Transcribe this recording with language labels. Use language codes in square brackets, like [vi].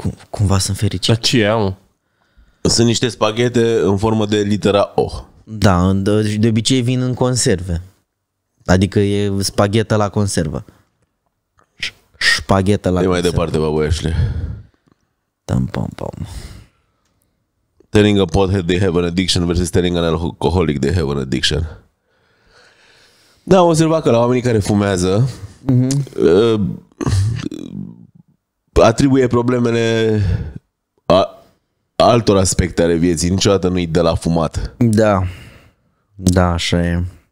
[ro] Cumva sunt fericit. Dar ce e, mă? Sunt niște spaghete în formă de litera O. Da, de obicei vin în conserve. Adică e spagheta la conservă. Spaghetă la e mai departe, Baboiașule. Tam, pam, pam. [en] Telling a pothead they have an addiction versus telling an alcoholic they have an addiction. [ro] Da, am observat că la oamenii care fumează, atribuie problemele altor aspecte ale vieții, niciodată nu-i de la fumat. Da, da, așa e.